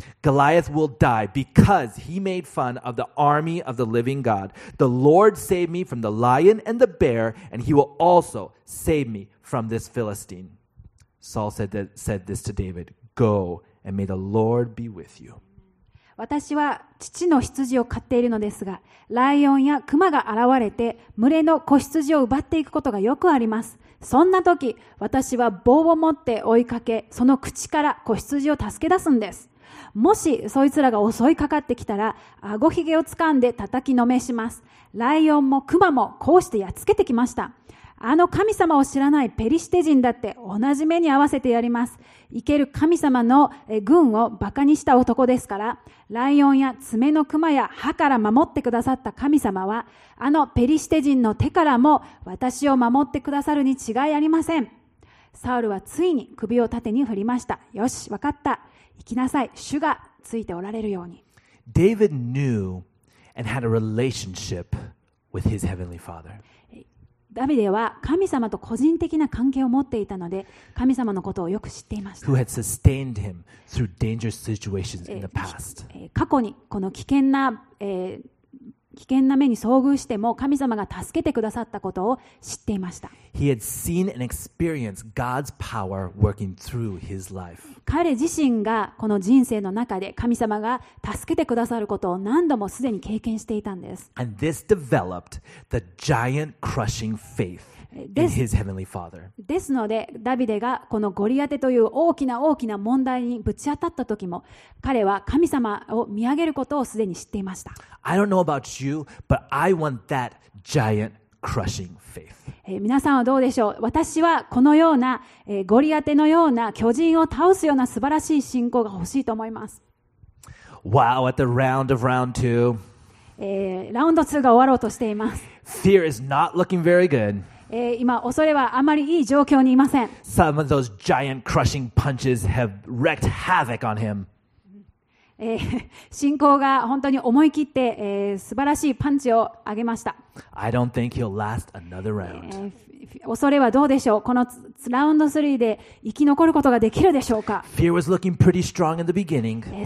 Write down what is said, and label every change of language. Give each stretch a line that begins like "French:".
English: Goliath will die because he made fun of the army of the living God. The Lord saved me from the lion and the bear, and he will also save me from this Philistine. Saul said this to David, Go and may the Lord be with you.
Japanese: 私は父の羊を飼っているのですが、ライオンや熊が現れて群れの子羊を奪っていくことがよくあります。そんな時、私は棒を持って追いかけ、その口から子羊を助け出すんです。もしそいつらが襲いかかってきたら、顎ひげをつかんで叩きのめします。ライオンもクマもこうしてやっつけてきました。あの神様を知らないペリシテ人だって同じ目に合わせてやります。生ける神様の軍をバカにした男ですから、ライオンや爪のクマや歯から守ってくださった神様は、あのペリシテ人の手からも私を守ってくださるに違いありません。サウルはついに首を縦に振りました。よし、わかった。行きなさい。主がついておられるように。
English: David knew and had a relationship with his heavenly father.
Japanese: ダビデは神様と個人的な関係を持っていたので、神様のことをよく知っていました。
English: Who had sustained him through dangerous situations in the past.
Japanese: 過去にこの危険な目に遭遇しても神様が助けてくださったことを知っていました。
English: He had seen and experienced God's power working through his life.
Japanese: 彼自身がこの人生の中で神様が助けてくださることを何度もすでに経験していたんです。
English: And this developed the giant crushing faith in his heavenly father.
Japanese: ですので、ダビデがこのゴリアテという大きな大きな問題にぶち当たった時も、彼は神様を見上げることをすでに知っていました。
English: I don't know about you, but I want that giant crushing faith.
Japanese: 皆さんはどうでしょう。私はこのような、ゴリアテのような巨人を倒すような素晴らしい信仰が欲しいと思います。
English: Wow, at the round of round two.
Japanese: ラウンド2が終わろうとしています。
English: Fear is not looking very good.
Japanese: 今恐れはあまりいい状況にいません。
English: Some of those giant crushing punches have wrecked havoc on him.
Japanese: 信仰が本当に思い切って、素晴らしいパンチをあげました。
English: I don't think he'll last another round.
Japanese: 恐れはどうでしょう。このラウンド3で生き残ることができるでしょうか。
English: Fear was looking pretty strong in the beginning.